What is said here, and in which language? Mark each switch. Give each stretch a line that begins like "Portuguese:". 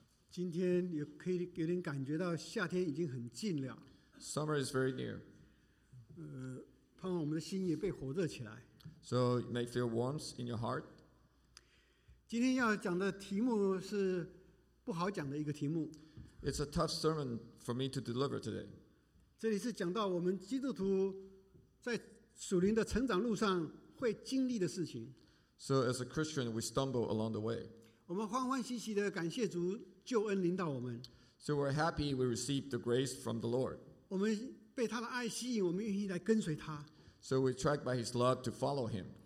Chinese: 今天有点感觉到夏天已经很近了。
English: Summer is very near.
Chinese: 盼望我们的心也被火热起来。
English: So you may feel warmth in your heart.
Chinese: 今天要讲的题目是不好讲的一个题目。
English: It's a tough sermon for me to deliver today.
Chinese: 这里是讲到我们基督徒在属灵的成长路上会经历的事情。
English: So as a Christian, we stumble along the way.
Chinese: 我们欢欢喜喜地感谢主救恩临到我们。
English: So we're happy we received the grace from the Lord.
Chinese: 我们被他的爱吸引，我们愿意来跟随他。
English: So we're tracked by his love to follow him.